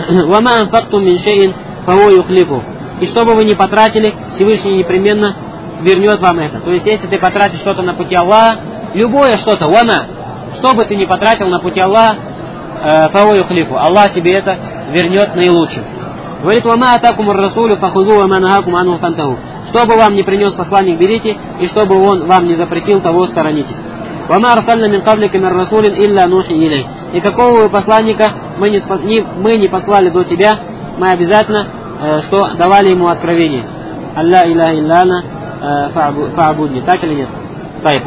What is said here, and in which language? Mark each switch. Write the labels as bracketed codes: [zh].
[ar] وَمَا أَنْفَقْتُمْ مِنْ شَيْءٍ فَهُوَ يُخْلِفُهُ. [ru] И что бы вы ни потратили, Всевышний непременно вернет вам это. То есть, если ты потратишь что-то на пути Аллаха, любое что-то, [ar] وَمَا, [ru] что бы ты ни потратил на пути Аллаха, [ar] فَهُوَ يُخْلِفُهُ, [ru] Аллах тебе это вернет наилучшим. Говорит, [ar] وَمَا أَتَاكُمُ الرَّسُولُ فَخُذُوهُ وَمَا نَهَاكُمْ عَنْهُ فَانْتَهُوا. [ru] Что бы вам не принес посланник, берите, и что бы он вам не запретил, того сторонитесь. [ar] وَمَا أَرْسَلْنَا مِنْ قَبْلِكَ مِنْ رَسُولٍ إِلَّا نُوحِي إِلَيْهِ. [ru] И какого вы посланника мы не послали до тебя, мы обязательно, что давали ему откровение. [ar] أَلَّا إِلَّا إِلَّا فَعْبُدْنِ. [ru] Так или нет? [ar] طيب.